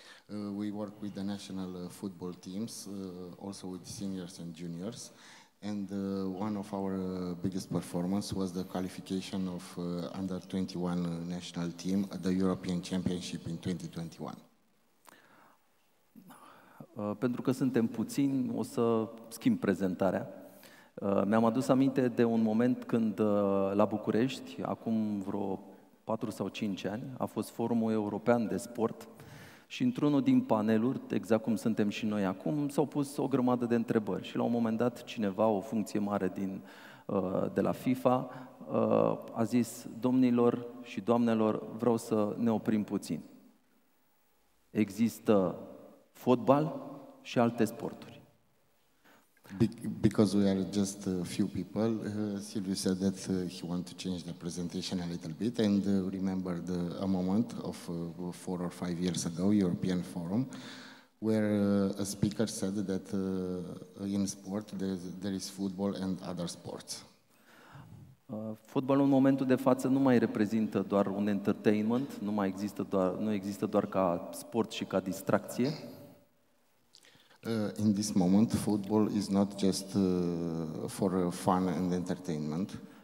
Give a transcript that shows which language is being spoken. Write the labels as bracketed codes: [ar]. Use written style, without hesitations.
[en] We work with the national football teams, also with seniors and juniors. And one of our biggest performance was the qualification of under 21 national team at the European Championship in 2021. [ro] Pentru că suntem puțini, o să schimb prezentarea. Mi-am adus aminte de un moment când la București, acum vreo 4 sau 5 ani, a fost Forumul European de Sport și într-unul din paneluri, exact cum suntem și noi acum, s-au pus o grămadă de întrebări și la un moment dat cineva, o funcție mare de la FIFA, a zis: domnilor și doamnelor, vreau să ne oprim puțin. Există fotbal și alte sporturi. [en] Because we are just a few people, Silviu said that he wants to change the presentation a little bit and remember a moment of 4 or 5 years ago, European Forum, where a speaker said that in sport there is football and other sports. [ro] Fotbalul în momentul de față nu mai reprezintă doar un entertainment, nu există doar ca sport și ca distracție. [en] In this moment, football is not just for fun and entertainment.